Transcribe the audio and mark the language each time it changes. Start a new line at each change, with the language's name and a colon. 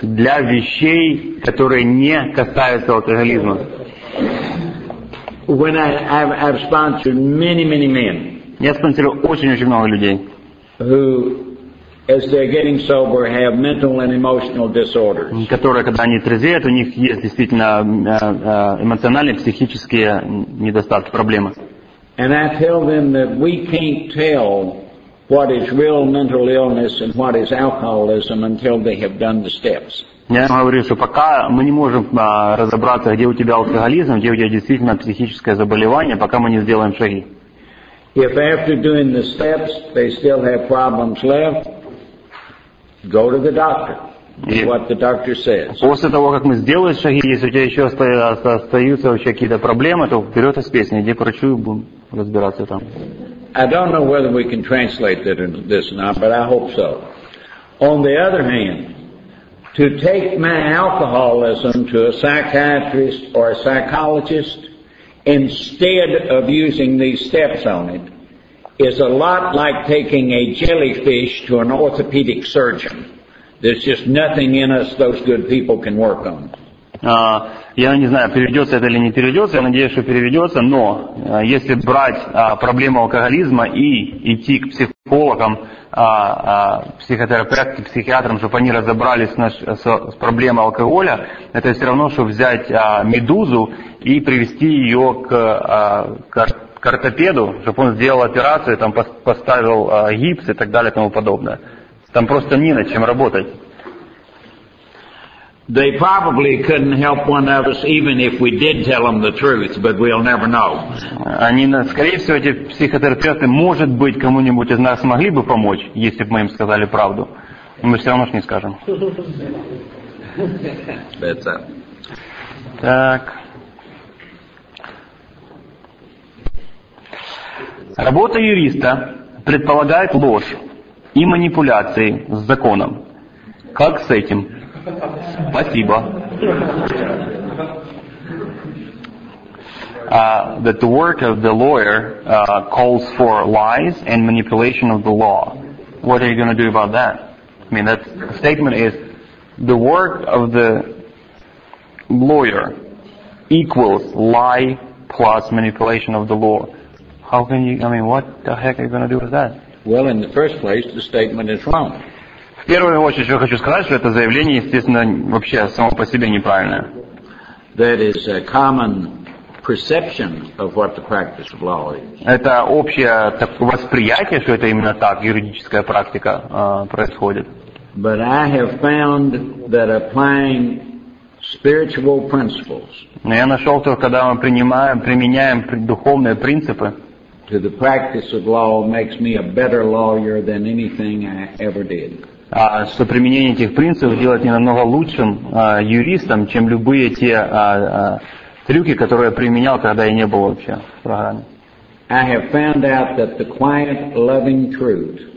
Russian: Для вещей, которые не касаются алкоголизма.
English: When I've sponsored many, many men.
Russian: Я спонсирую очень-очень много людей.
English: Who as they're getting sober, have mental and emotional disorders.
Russian: Которые, когда они трезвеют, у них есть действительно эмоциональные, психические недостатки, проблемы.
English: And I tell them that we can't tell what is real mental illness and what is alcoholism until they have done the steps.
Russian: Я говорю, что пока мы не можем разобраться, где у тебя алкоголизм, где у тебя действительно психическое заболевание, пока мы не сделаем шаги.
English: If after doing the steps they still have problems left, go to the doctor. What the doctor says.
Russian: После того, как мы сделали шаги, если у тебя еще остаются вообще какие-то проблемы, то вперед из песни, иди к врачу и будем разбираться там.
English: I don't know whether we can translate this or not, but I hope so. On the other hand, to take my alcoholism to a psychiatrist or a psychologist instead of using these steps on it, is a lot like taking a jellyfish to an orthopedic surgeon. There's just nothing in us those good people can work on.
Russian: Я не знаю, переведется это или не переведется, я надеюсь, что переведется, но если брать проблему алкоголизма и идти к психологам, психотерапевтам, психиатрам, чтобы они разобрались с проблемой алкоголя, это все равно, что взять медузу и привести ее к ортопеду, чтобы он сделал операцию, там поставил гипс и так далее и тому подобное. Там просто не над чем работать.
English: They probably couldn't help one of us, even if we did tell them the truth, but we'll never know.
Russian: Они, скорее всего, эти психотерапевты, может быть, кому-нибудь из нас могли бы помочь, если бы мы им сказали правду. Мы все равно ж не скажем. Это. Так. Работа юриста предполагает ложь и манипуляции с законом. Как с этим? Спасибо.
English: That the work of the lawyer calls for lies and manipulation of the law. What are you going to do about that? I mean, that statement is the work of the lawyer equals lie plus manipulation of the law. How can you, I mean, what the heck are you going to do with that? Well, in the first place, the statement is wrong.
Russian: В первую очередь, что я хочу сказать, что это заявление, естественно, вообще само по себе неправильное.
English: That is a common perception of what the practice of law is.
Russian: Это общее восприятие, что это именно так юридическая практика происходит.
English: But I have found that applying spiritual principles.
Russian: Но я нашел, что когда мы применяем духовные принципы,
English: to the practice of law makes me a better lawyer than anything I ever did.
Russian: Что применение этих принципов делает меня намного лучшим юристом, чем любые те трюки, которые я применял, когда я не был вообще в программе.
English: I have found out that the quiet, loving truth.